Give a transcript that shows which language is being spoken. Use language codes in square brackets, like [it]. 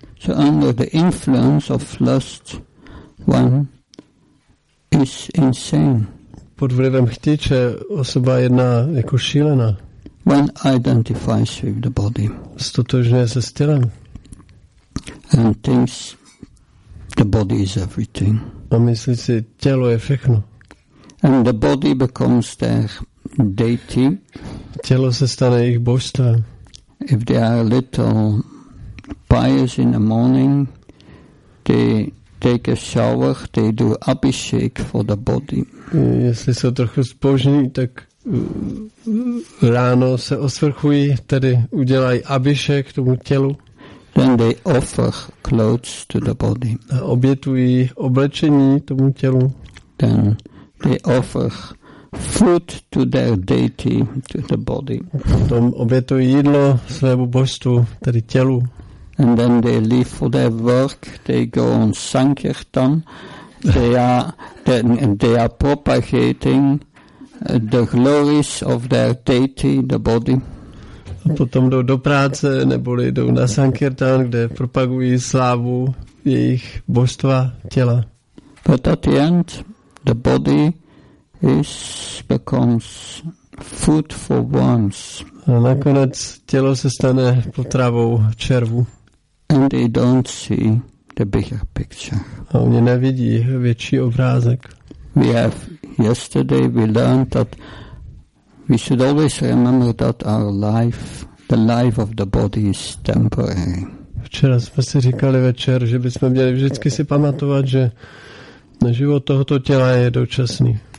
[en] So under the influence of lust, one is insane. [cs] Pod vlivem chtíče osoba jedná jako šílená. [en] One identifies with the body. [cs] Stotožňuje se s tělem. [en] And thinks the body is everything. [cs] A myslí si, tělo je všechno. [en] And the body becomes their deity. [cs] Tělo se stane jejich božstvem. [en] If they are a little pious in the morning, they take a shower, they do abhishek for the body. [cs] Jestli jsou trochu zbožní, tak ráno se osvrchují, tedy udělají abhishek tomu tělu. [en] Then they offer clothes to the body. [cs] A obětují oblečení tomu tělu. [en] Then they offer food to their deity, to the body. [cs] Potom obětují jídlo svému božstvu, tedy tělu. [en] And then they leave for their work, they go on Sankirtan, they are propagating the glories of their deity, the body. [cs] A potom jdou do práce, neboli jdou na Sankirtan, kde propagují slávu jejich božstva, těla. [en] But at the end, the body becomes food for worms. [cs] A nakonec tělo se stane potravou červu. [en] And they don't see the bigger picture. [cs] A oni nevidí větší obrázek. [en] We have yesterday we learned that we should always remember that our life, the life of the body is temporary. [cs] Včera jsme si říkali večer, že bychom měli vždycky si pamatovat, že život tohoto těla je dočasný.